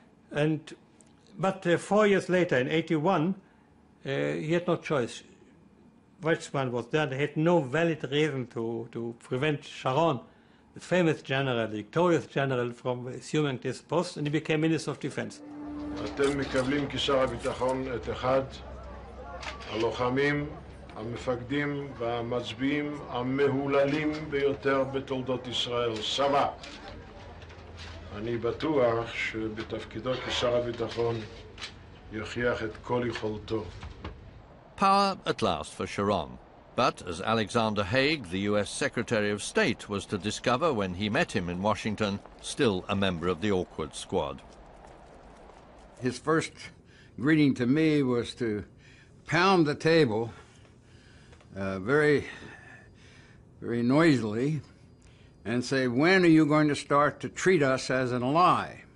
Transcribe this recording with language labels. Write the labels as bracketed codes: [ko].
[en] But 4 years later, in 81, he had no choice. Weizmann was there, and he had no valid reason to prevent Sharon, the famous general, the victorious general, from assuming this post, and he became Minister of Defense. [he] אתם מקבלים כשר הביטחון את אחד הלוחמים, המפקדים והמצביעים המהוללים ביותר בתולדות ישראל, סבא. אני בטוח שבתפקידו כשר הביטחון יוכיח את כל יכולתו. [en] Power at last for Sharon. But as Alexander Haig, the U.S. Secretary of State, was to discover when he met him in Washington, still a member of the awkward squad. His first greeting to me was to pound the table very, very noisily and say, when are you going to start to treat us as an ally?